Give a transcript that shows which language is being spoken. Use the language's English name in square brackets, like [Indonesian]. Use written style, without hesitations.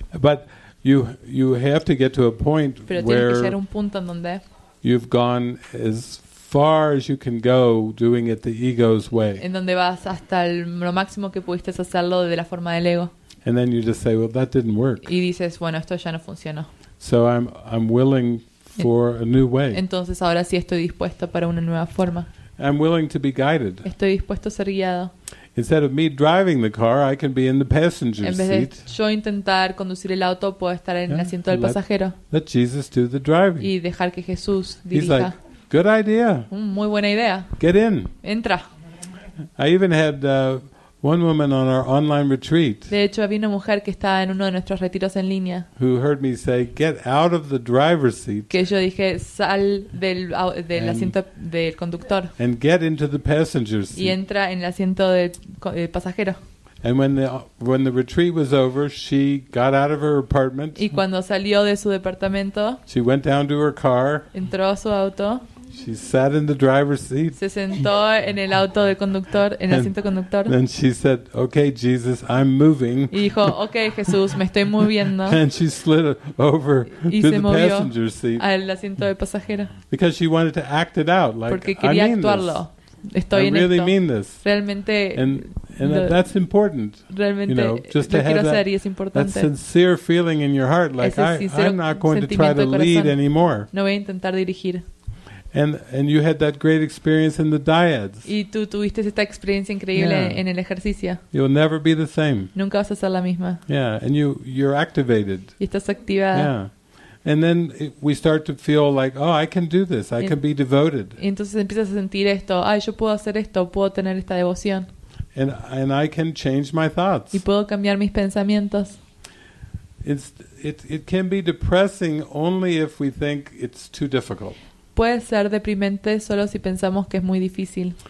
[English] But you have to get to a point where [Spanish] que ser un punto en donde [English] you've gone as far as you can go doing it the ego's way. [Spanish] En donde vas hasta lo máximo que pudiste hacerlo de la forma del ego. [English] And then you just say, well, that didn't work. [Spanish] Y dices, bueno, esto ya no funcionó. [English] So I'm willing for a new way. [Spanish] Entonces ahora sí estoy dispuesto para una nueva forma. [English] I'm willing to be guided. [Spanish] Estoy dispuesto a ser guiado. [English] Instead of me driving the car, I can be in the passenger seat. [Spanish] En vez de yo intentar conducir el auto, puedo estar en el asiento del pasajero. [English] Let Jesus do the driving. [Spanish] Y dejar que Jesús dirija. [English] He's like, good idea. [Spanish] Muy buena idea. [English] Get in. [Spanish] Entra. [English] I even had one woman on our online retreat. [Spanish] De hecho, había una mujer que estaba en uno de nuestros retiros en línea. [English] Who heard me say, get out of the driver's seat. [Spanish] Que yo dije, sal del asiento del conductor. [English] And get into the passenger seat. [Spanish] Y entra en el asiento del pasajero. [English] And when the retreat was over, she got out of her apartment. [Spanish] Y cuando salió de su departamento, [English] she went down to her car. [Spanish] Entró a su auto. [English] She sat in the driver's seat. [Spanish] Se sentó en el auto del conductor, en el asiento conductor. [English] Then she said, "Okay, Jesus, I'm moving." [Spanish] Y dijo, "Okay, Jesús, me estoy moviendo." [English] And she slid over [Spanish] y [English] to [Spanish] se [English] the [Spanish] movió [English] passenger seat. [Spanish] Al asiento de pasajero. [English] Because she wanted to act it out, like, [Spanish] porque quería actuarlo. Estoy [English] I [Spanish] en [English] really [Spanish] esto. [English] Mean this. [Spanish] Realmente, [English] and that's important. [Spanish] Realmente, [English] you know, just to have that sincere feeling in your heart, like I'm not going to try to lead anymore. [Spanish] No voy a intentar dirigir. [English] And you had that great experience in the dyads. [Spanish] Y tú tuviste esta experiencia increíble en el ejercicio. [English] You'll never be the same. [Spanish] Nunca vas a ser la misma. [English] Yeah, and you're activated. [Spanish] Y estás activada. [English] Yeah. And then we start to feel like, oh, I can do this. I can be devoted. [Spanish] Y entonces empiezas a sentir esto. Ay, yo puedo hacer esto. Puedo tener esta devoción. [English] And I can change my thoughts. [Spanish] Y puedo cambiar mis pensamientos. [English] It can be depressing only if we think it's too difficult. [Spanish] Puede ser deprimente solo si pensamos que es muy difícil.